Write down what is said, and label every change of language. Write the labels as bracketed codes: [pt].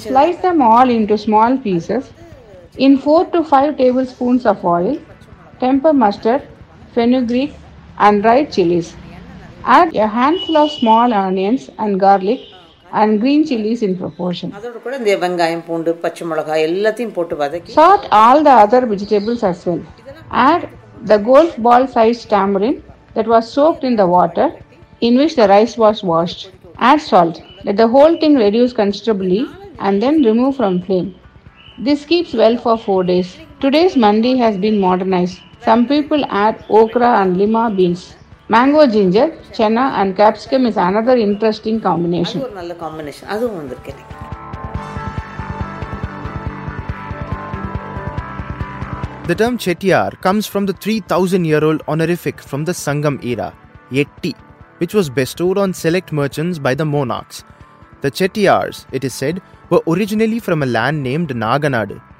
[en] சின்ன slice them all into small pieces in 4 to 5 tablespoons of oil, temper mustard, fenugreek and dried chillies. Add a handful of small onions and garlic and green chilies in proportion. [ta] அதோட கூட இந்த வெங்காயம், பூண்டு, பச்சை மிளகாய் எல்லாத்தையும் போட்டு வதக்கி. [en] Sort all the other vegetables as well. Add the golf ball sized tamarind that was soaked in the water in which the rice was washed. Add salt. Let the whole thing reduce considerably and then remove from flame. This keeps well for 4 days. Today's mandi has been modernized. Some people add okra and lima beans. Mango, ginger, chana and capsicum is another interesting combination. [ta] ஒரு நல்ல combination அதுவும் வந்திருக்கேன். [en] The term chettiar comes from the 3,000-year-old honorific from the Sangam era, yetti, which was bestowed on select merchants by the monarchs. The chettiars, it is said, were originally from a land named Naganadu.